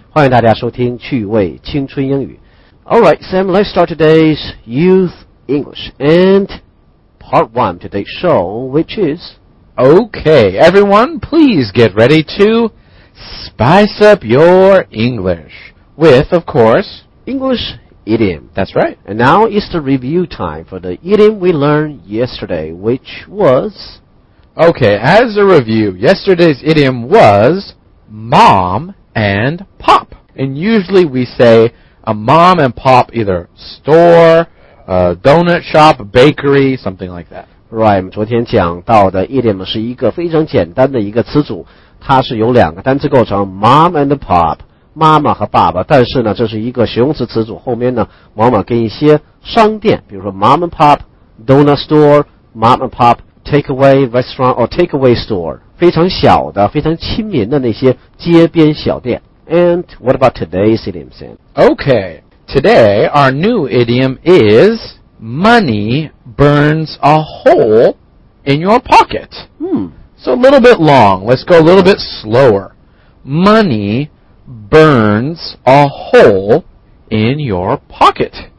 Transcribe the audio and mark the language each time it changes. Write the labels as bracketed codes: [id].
[zh] 欢迎大家收听趣味青春英语。 [en] All right, Sam, let's start today's Youth English and part one of today's show, which is... Okay, everyone, please get ready to spice up your English with, of course, English idiom. That's right. And now it's the review time for the idiom we learned yesterday, which was... Okay, as a review, yesterday's idiom was mom and pop. And usually we say a mom and pop either store, a donut shop, bakery, something like that. [zh] Right, 昨天讲到的 idiom 是一个非常简单的一个词组，它是有两个单词构成 [en] mom and pop, 妈妈和爸爸，但是呢这是一个形容词词组，后面呢往往跟一些商店，比如说 mom and pop, donut store, mom and popTakeaway restaurant or takeaway store. [zh] 非常小的非常亲民的那些街边小店。 [en] And what about today's idiom, Sam? Okay, today our new idiom is money burns a hole in your pocket. So a little bit long. Let's go a little bit slower. Money burns a hole in your pocket.